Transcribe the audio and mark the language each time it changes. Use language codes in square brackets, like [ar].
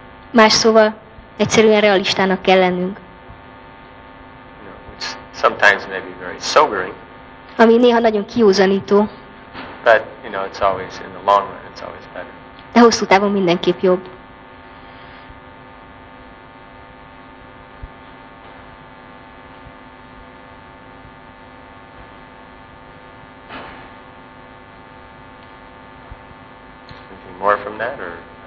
[hu] Más szóval, egyszerűen realistának kell lennünk. [en] No, it's sometimes maybe very sobering. [hu] Ami néha nagyon kiúzanító. [en] But, you know, it's always in the long run, it's always better. [hu] De hosszú távon mindenképp jobb. [en] Anything more from that, or?